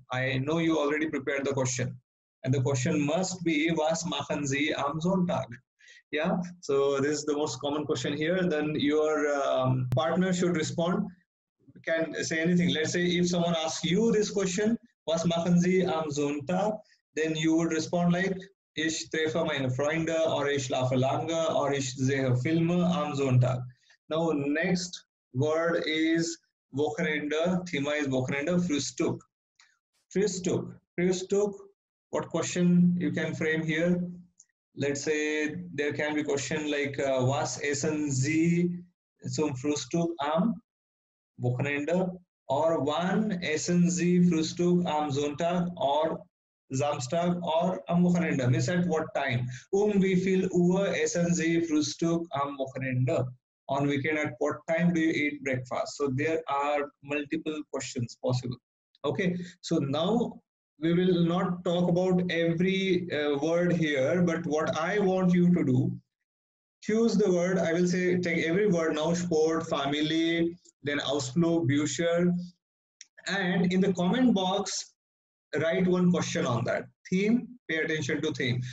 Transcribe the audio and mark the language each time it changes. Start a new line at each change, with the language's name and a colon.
English: I know you already prepared the question. And the question must be,
German: was machen Sie am Sonntag?
English: Yeah, so this is the most common question here. Then your partner should respond, can say anything. Let's say if someone asks you this question,
German: was machen Sie am Sonntag?
English: Then you would respond like,
German: Ich treffe meine Freunde, or ich schlafe lange, or ich sehe Filme am Sonntag.
English: Now, next word is Wochenende. Thema is Wochenende. Frühstück. Frühstück. Frühstück. What question you can frame here? Let's say there can be question like
German: Was essen Sie zum Frühstück am Wochenende? Or Wann essen Sie Frühstück am Sonntag?
English: Or Samstag or am Wochenende. Means at what time?
German: Wie viel Uhr essen Sie Frühstück am Wochenende?
English: On weekend, at what time do you eat breakfast? So there are multiple questions possible. Okay, so now we will not talk about every word here, but what I want you to do, choose the word. I will say, take every word now, Sport, Family, then Ausflug, Bücher, and in the comment box, write one question on that theme. Pay attention to theme.